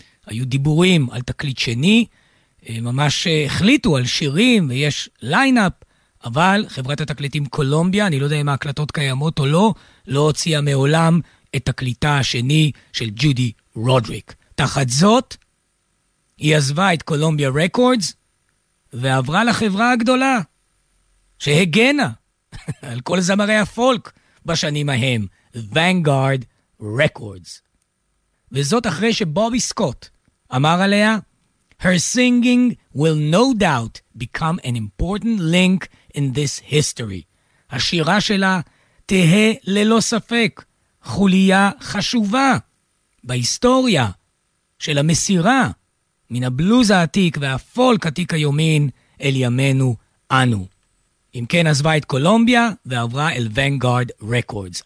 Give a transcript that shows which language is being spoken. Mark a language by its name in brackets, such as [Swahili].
[Hebrew] היו דיבורים על תקליט שני, ממש החליטו על שירים ויש ליינאפ, אבל חברת התקליטים קולומביה, אני לא יודע אם ההקלטות קיימות או לא, לא הוציאה מעולם את תקליטה השני של ג'ודי רודריק. תחת זאת, היא עזבה את קולומביה רקורדס, ועברה לחברה הגדולה, שהגנה על כל זמרי הפולק בשנים ההם, Vanguard Records. וזאת אחרי שבובי סקוט אמר עליה, [English] Her singing will no doubt become an important link in this history. [Hebrew] השירה שלה תהה ללא ספק חוליה חשובה בהיסטוריה של המסירה מן הבלוז העתיק והפולק עתיק היומין אל ימינו אנו. אם כן, עזבה את קולומביה ועברה אל ונגארד רקורדס.